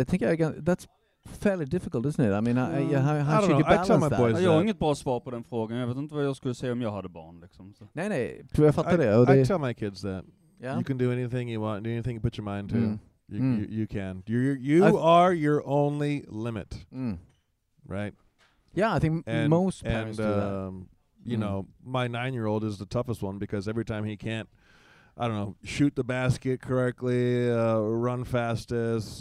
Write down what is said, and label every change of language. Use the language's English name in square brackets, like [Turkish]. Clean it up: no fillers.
[English] I think that's fairly difficult, isn't it? I mean, how should you balance that? [Swedish] Jag har inget bra svar på den frågan. Jag vet inte vad jag skulle säga om jag hade barn. Liksom, så. Nej, jag fattar det. [English] I tell my kids that. Yeah? You can do anything you want, do anything you put your mind to. You can. You are your only limit. Mm. Right? Yeah, I think most parents and, do that. You know, my 9-year-old is the toughest one because every time he can't, I don't know, shoot the basket correctly, run fastest.